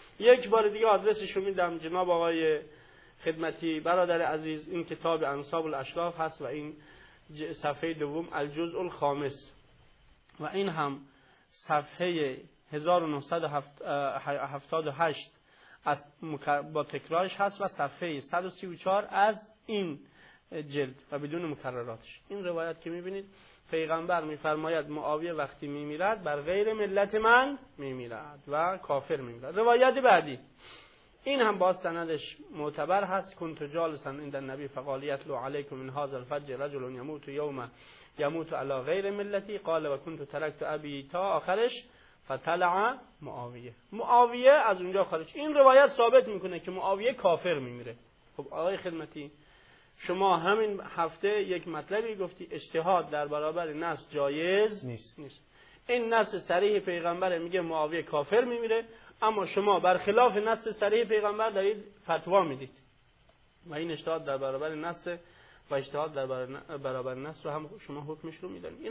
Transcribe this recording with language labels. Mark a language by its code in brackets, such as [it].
[fa] یک بار دیگه آدرسشو میدم، جناب آقای خدمتی برادر عزیز، این کتاب انصاب الاشراف هست و این صفحه دوم الجزء الخامس و این هم صفحه 1978 با تکرارش هست و صفحه 134 از این جلد و بدون مکرراتش. این روایت که میبینید پیغمبر میفرماید معاویه وقتی میمیرد بر غیر ملت من میمیرد و کافر میمیرد. روایت بعدی این هم با سندش معتبر هست. [ar] کنت جالسا عند النبی فقال یتلو علیکم من هذا الفج رجل يموت يوم يموت على غير ملتي قال و كنت تركت ابي [fa] تا آخرش [ar] فطلع معاویه. [fa] معاویه از اونجا خارج. این روایت ثابت میکنه که معاویه کافر میمیره. خب آقای خدمتی، شما همین هفته یک مطلبی گفتی، اجتهاد در برابر نص جایز نیست. این نص صریح پیغمبره، میگه معاویه کافر میمیره، اما شما برخلاف نص صریح پیغمبر دارید فتوا میدید و این اجتهاد در برابر نص و اجتهاد در برابر نص رو هم شما حکمش رو میدانید.